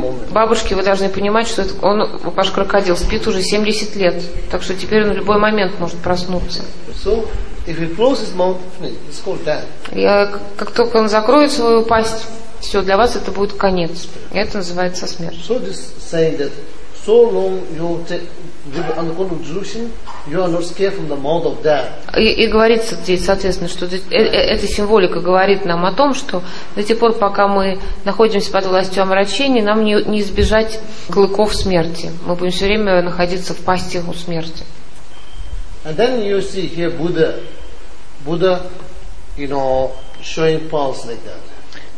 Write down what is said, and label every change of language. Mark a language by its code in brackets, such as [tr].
[ru] Бабушки, вы должны понимать, что он, ваш крокодил, спит уже 70 лет, так что теперь он в любой момент может проснуться. [en] So, if he closes mouth, it's called death. [ru] Как только он закроет свою пасть, все, для вас это будет конец. И это называется смерть. [en] So this saying that so long you live under condition, you are not scared from the mouth of death. [ru] И говорится здесь, соответственно, что эта символика говорит нам о том, что до тех пор, пока мы находимся под властью омрачения, нам не избежать клыков смерти. Мы будем все время находиться в пасти у смерти. [en] And then you see here Buddha. Buddha, you know, showing pulse like that.